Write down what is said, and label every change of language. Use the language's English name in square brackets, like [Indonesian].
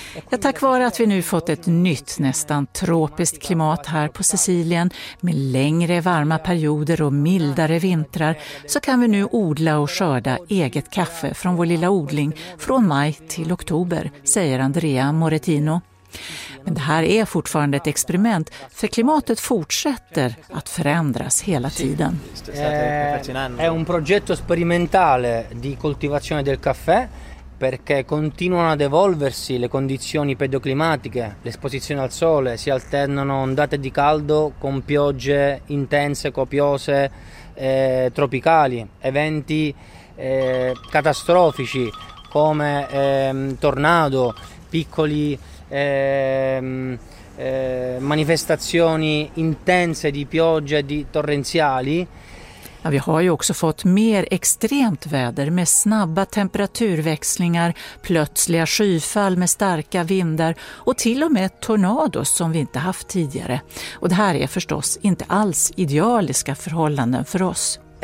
[Swedish] Ja, tack vare att vi nu fått ett nytt, nästan tropiskt klimat här på Sicilien med längre varma perioder och mildare vintrar, så kan vi nu odla och skörda eget kaffe från vår lilla odling från maj till oktober, säger Andrea Moretino. Men det här är fortfarande ett experiment, för klimatet fortsätter att förändras hela tiden. [Italian] È un progetto sperimentale di coltivazione del caffè. Perché continuano ad evolversi le condizioni pedoclimatiche, l'esposizione al sole, si alternano ondate di caldo con piogge intense, copiose, tropicali, eventi catastrofici come tornado, piccoli manifestazioni intense di piogge di torrenziali. [Swedish] Ja, vi har ju också fått mer extremt väder med snabba temperaturväxlingar, plötsliga skyfall med starka vindar och till och med tornados som vi inte haft tidigare. Och det här är förstås inte alls idealiska förhållanden för oss.